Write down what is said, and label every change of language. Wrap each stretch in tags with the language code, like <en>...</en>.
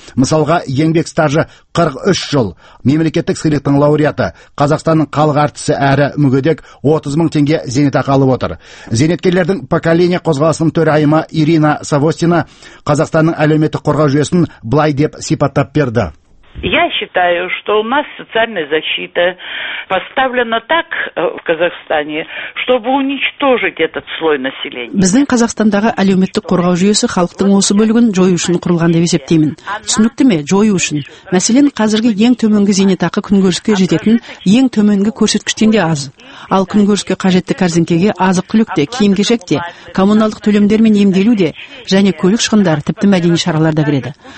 <kk>Мысалға, еңбек стажы 43 жыл, мемлекеттік сыйлықтың лауреаты, Қазақстанның халық әртісі әрі мүгедек 30 мың теңге зейнетақы алып отыр. Зейнеткерлердің поколение қозғалысының төрайымы Ирина Савостина Қазақстанның әлеуметтік қорғау жүйесін былай деп сипаттап берді.</kk> <ru>Я считаю, что у нас социальная защита поставлена так в Казахстане, чтобы уничтожить этот слой населения.</ru> <kk>Біздің Қазақстандағы әлеуметтік қорғау жүйесі халықтың осы бөлігін жою үшін құрылған деп есептеймін. Түсінікті ме? Жою үшін. Мәселен, қазіргі ең төменгі зейнетақы күнкөріске жететін ең төменгі көрсеткіштен де аз. Ал күнкөріске қажетті қарзинкеге азық-түлік те, киім-кешек те, коммуналдық төлемдер мен емделу де, және көлік шығындары тіпті мәдени шаралар да кіреді.</kk>